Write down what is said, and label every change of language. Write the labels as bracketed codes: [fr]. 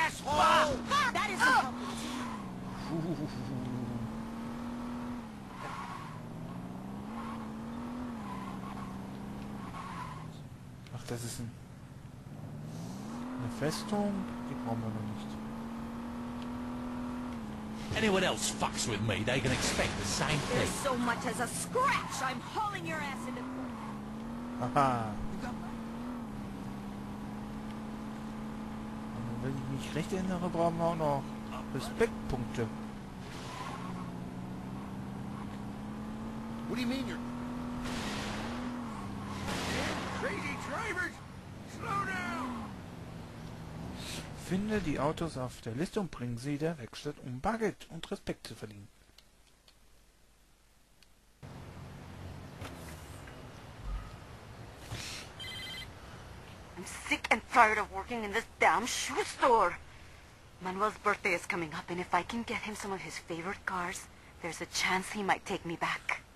[de] Ach, das ist eine Festung, die brauchen wir noch nicht. [en] Anyone else fucks with me, they can expect the same thing. There's so much as a scratch. I'm hauling your ass into court. Aha. [de] Und wenn ich mich recht erinnere, brauchen wir auch noch Respektpunkte. [en] What do you mean you're... Crazy drivers! Slow down! [de] Finde die Autos auf der Liste und bringen sie der Werkstatt, um Bargeld und Respekt zu verdienen. [en] I'm sick and tired of working in this damn shoe store. Manuel's birthday is coming up, and if I can get him some of his favorite cars, there's a chance he might take me back.